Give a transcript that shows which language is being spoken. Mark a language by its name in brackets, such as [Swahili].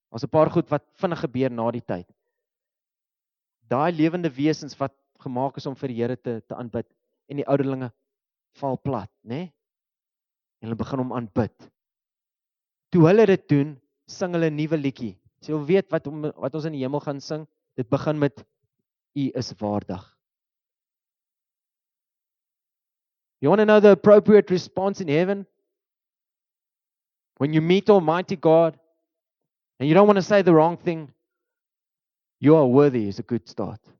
[Afrikaans] Daar's 'n paar goed wat vinnig gebeur na die tyd. Daai lewende wesens wat gemaak is om vir die Here te aanbid en die ouderlinge val plat, né? Nee? En hulle begin hom aanbid. Toe hulle dit doen, sing hulle 'n nuwe liedjie. Sê hulle weet wat ons in die hemel gaan sing. Dit begin met U is waardig. [English] You want to know the appropriate response in heaven? When you meet Almighty God and you don't want to say the wrong thing, you are worthy is a good start.